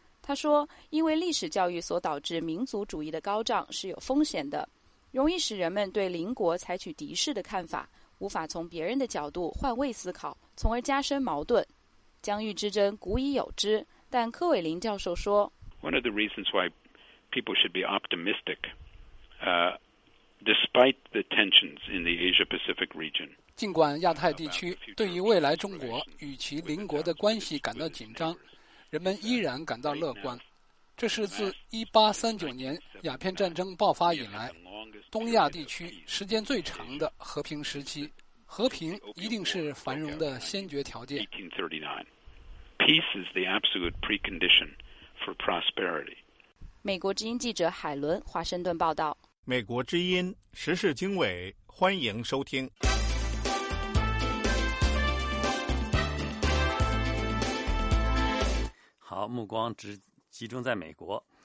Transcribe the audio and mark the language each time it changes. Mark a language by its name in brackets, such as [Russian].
[Chinese] 他说，因为历史教育所导致民族主义的高涨是有风险的，容易使人们对邻国采取敌视的看法，无法从别人的角度换位思考，从而加深矛盾。疆域之争古已有之，但柯伟林教授说 [English] One of the reasons why people should be optimistic, despite the tensions in the Asia-Pacific region, [Chinese] 尽管亚太地区对于未来中国与其邻国的关系感到紧张，人们依然感到乐观。这是自1839年鸦片战争爆发以来，东亚地区时间最长的和平时期。和平一定是繁荣的先决条件。 [English] Peace is the absolute precondition for prosperity. [Chinese] 美国之音记者海伦，华盛顿报道。美国之音时事经纬，欢迎收听。好，目光只集中在美国。